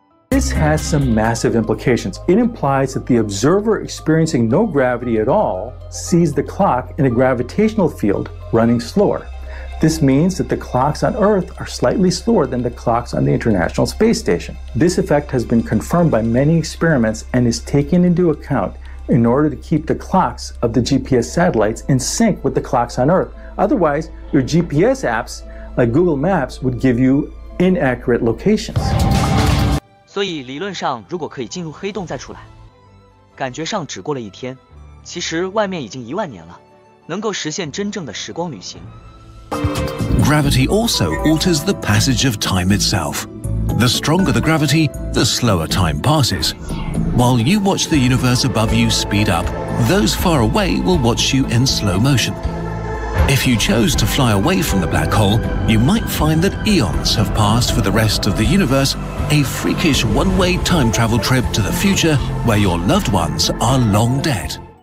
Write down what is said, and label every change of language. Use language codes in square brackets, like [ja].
[en] This has some massive implications. It implies that the observer experiencing no gravity at all sees the clock in a gravitational field running slower. This means that the clocks on Earth are slightly slower than the clocks on the International Space Station. This effect has been confirmed by many experiments and is taken into account in order to keep the clocks of the GPS satellites in sync with the clocks on Earth. Otherwise, your GPS apps, like Google Maps, would give you inaccurate locations. [zh] 所以理论上如果可以进入黑洞再出来，感觉上只过了一天，其实外面已经一万年了，能够实现真正的时光旅行。 [en] Gravity also alters the passage of time itself. The stronger the gravity, the slower time passes. While you watch the universe above you speed up, those far away will watch you in slow motion. If you chose to fly away from the black hole, you might find that eons have passed for the rest of the universe, a freakish one-way time travel trip to the future where your loved ones are long dead.